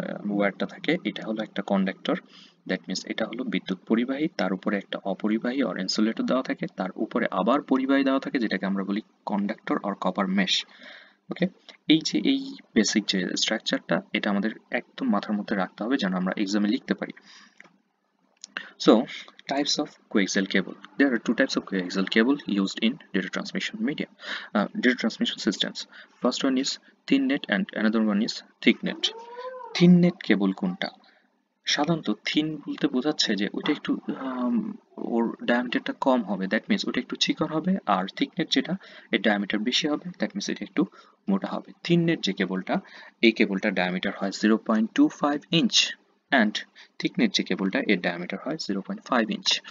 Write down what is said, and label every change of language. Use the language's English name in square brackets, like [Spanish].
[Bangla] ওয়্যারটা থাকে এটা হলো একটা কন্ডাক্টর দ্যাট মিনস এটা হলো বিদ্যুৎ পরিবাহী তার উপরে একটা অপরিবাহী অর ইনসুলেটর দেওয়া থাকে তার উপরে আবার পরিবাহী দেওয়া থাকে যেটাকে আমরা বলি কন্ডাক্টর অর কপার মেশ ওকে এই যে এই বেসিক যে স্ট্রাকচারটা এটা আমাদের একদম মাথার মধ্যে রাখতে হবে যেন আমরা এক্সামে লিখতে পারি so [English] types of coaxial cable. There are two types of coaxial cable used in data transmission media, data transmission systems. First one is thin net and another one is thick net. Thin net cable [Bangla] kunta? সাধারণত thin বলতে বোঝাচ্ছে যে ওইটা একটু ওর ডায়ামিটারটা কম হবে that means ওইটা একটু চিকন হবে আর থিকনেট যেটা এর ডায়ামিটার বেশি হবে দ্যাট মিনস এটা একটু মোটা হবে থিন নেট যে কেবলটা এই কেবলটার ডায়ামিটার হয় 0.25 ইঞ্চ অ্যান্ড থিক নেট যে কেবলটা এর ডায়ামিটার হয় 0.5 ইঞ্চ